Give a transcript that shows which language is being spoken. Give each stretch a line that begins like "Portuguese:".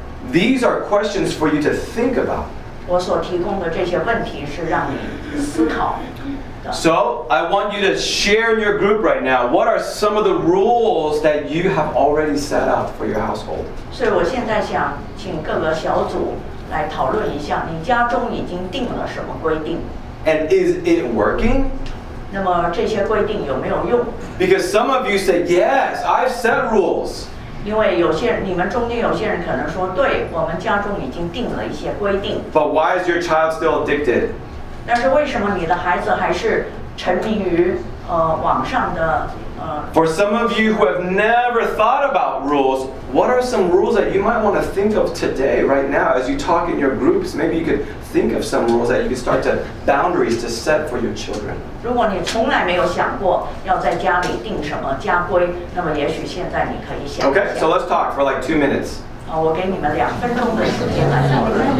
English: These are questions for you to think about.
Chinese: 我所提供的这些问题是让你思考的。
English: So, I want you to share in your group right now. What are some of the rules that you have already set up for your household?
Chinese: 所以我现在想请各个小组来讨论一下，你家中已经定了什么规定？
English: And is it working?
Chinese: 那么这些规定有没有用？
English: Because some of you say, yes, I've set rules.
Chinese: 因为有些人，你们中间有些人可能说，对，我们家中已经定了一些规定。
English: But why is your child still addicted?
Chinese: 但是为什么你的孩子还是沉迷于网上的
English: For some of you who have never thought about rules, what are some rules that you might want to think of today, right now, as you talk in your groups? Maybe you could think of some rules that you could start to boundaries to set for your children.
Chinese: 如果你从来没有想过要在家里定什么家规，那么也许现在你可以想。
English: Okay, so let's talk for like 2 minutes.
Chinese: 我给你们两分钟的时间来讨论。